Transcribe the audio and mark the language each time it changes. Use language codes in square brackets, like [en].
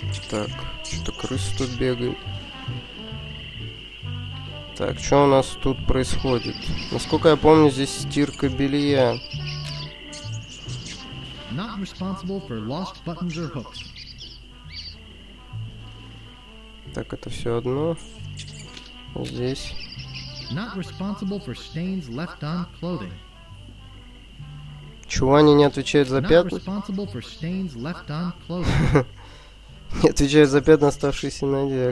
[ru] Так, что-то крыса тут бегает. Так, что у нас тут происходит? Насколько я помню, здесь стирка белья. [en] Not responsible for lost buttons or hooks. [ru] Так, это все одно. Здесь. [en] Not responsible for stains left on clothing. [ru] Чего они не отвечают за пятна? [en] Not responsible for stains left on clothing. [ru] Не отвечают за пятна, оставшиеся на одежде.